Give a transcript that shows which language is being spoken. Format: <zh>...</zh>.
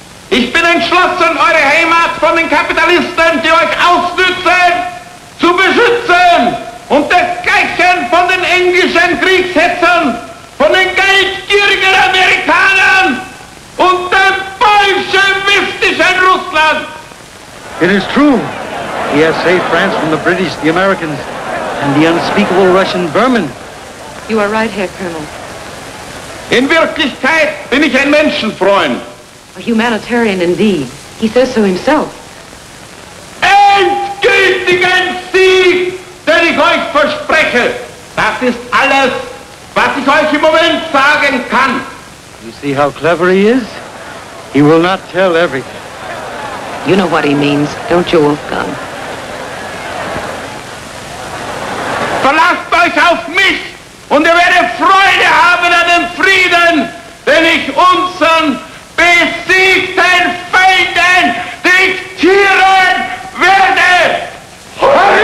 <de>Ich bin entschlossen, eure Heimat von den Kapitalisten, die euch ausnützen, zu beschützen. Und dergleichen von den englischen Kriegshetzern, von den geldgierigen Amerikanern und dem bolschewistischen Russland.</de> <en>It is true. He has saved France from the British, the Americans, and the unspeakable Russian vermin. You are right, Herr Colonel.</en> <de>In Wirklichkeit bin ich ein Menschenfreund.</de> <en>A humanitarian indeed. He says so himself.</en> <de>Endgültigen Sieg, den ich euch verspreche. Das ist alles, was ich euch im Moment sagen kann.</de> <en>You see how clever he is? He will not tell everything. You know what he means, don't you, Wolfgang?</en> <de>Verlasst euch auf mich und ihr werdet Freude haben an dem Frieden, den ich unseren besiegten Feinden diktieren werde!</de>